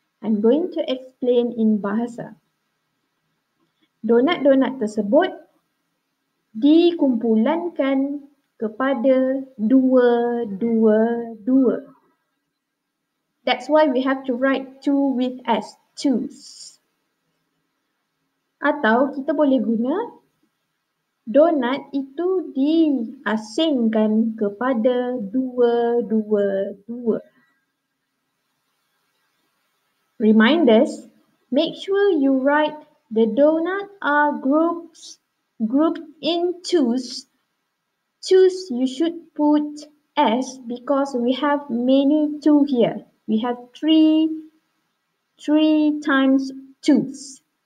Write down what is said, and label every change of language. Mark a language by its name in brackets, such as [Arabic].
[English] I'm going to explain in bahasa. [Malay] Donat-donat tersebut dikumpulkan kepada 2, 2, 2. [English] That's why we have to write 2 with S, 2s. [Malay] Atau kita boleh guna donat itu diasingkan kepada 2, 2, 2. [English] Reminders, make sure you write the donut are grouped in 2s. 2s you should put S because we have many 2 here. We have 3 times 2s.